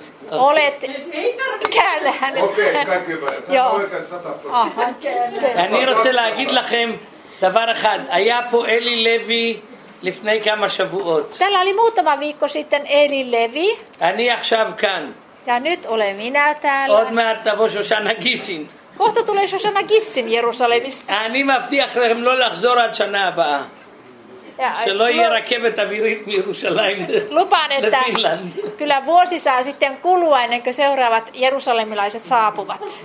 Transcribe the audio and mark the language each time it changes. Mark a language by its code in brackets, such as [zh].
[fi] Olet käännähän. Okei, kaikki [he] hyvä. Aha. Ani rotse lagid lachem davar echad. Aya po Eli Levi לפני כמה שבועות. [fi] Täällä oli muutama viikko sitten Eli Levi. [he] אני עכשיו כאן. [fi] Ja nyt olen minä täällä. [he] עוד מעט תבוא שושנה גיסין. [fi] Kohta tulee Shoshana Gissin Jerusalemista. [he] אני מבטיח לכם לא לחזור עד שנה הבאה. שלא יהיה רכבת אווירית מירושלים. [fi] Lupaan, että kyllä vuosi saa sitten kulua ennen kuin seuraavat jerusalemilaiset saapuvat.